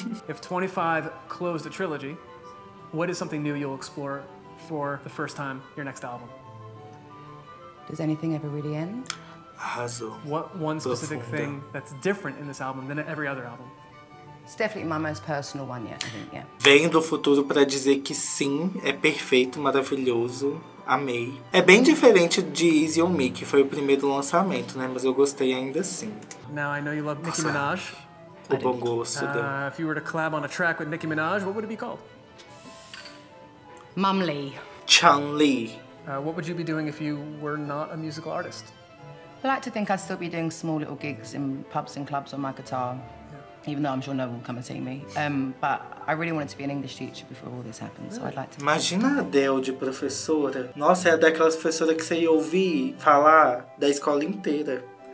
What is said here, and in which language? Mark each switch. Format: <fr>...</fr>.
<en>If 25 closed a trilogy, what is something new you'll explore for the first time, your next album? Does anything ever really end?</en> <pt>Arrasou.</pt> <en>What one specific thing that's different in this album than every other album? It's definitely my most personal one yet, I think, yeah.</en> <pt>Vem do futuro pra dizer que sim, é perfeito, maravilhoso. Amei. É bem diferente de Easy on Me, que foi o primeiro lançamento, né? Mas eu gostei ainda assim.</pt> <en>Now I know you love Nicki Minaj.</en> <pt>O bom gosto dela.</pt> <en>If you were to collab on a track with Nicki Minaj, what would it be called? Mum Lee. Chun Lee. What would you be doing if you were not a musical artist? I like to think I'd still be doing small little gigs in pubs and clubs on my guitar. Even though I'm sure no one will come and see me. But I really wanted to be an English teacher before all this happened, so I'd like to...</en> <pt>Imagina a Adele de professora. Nossa, é daquelas professoras que você ia ouvir falar da escola inteira.</pt>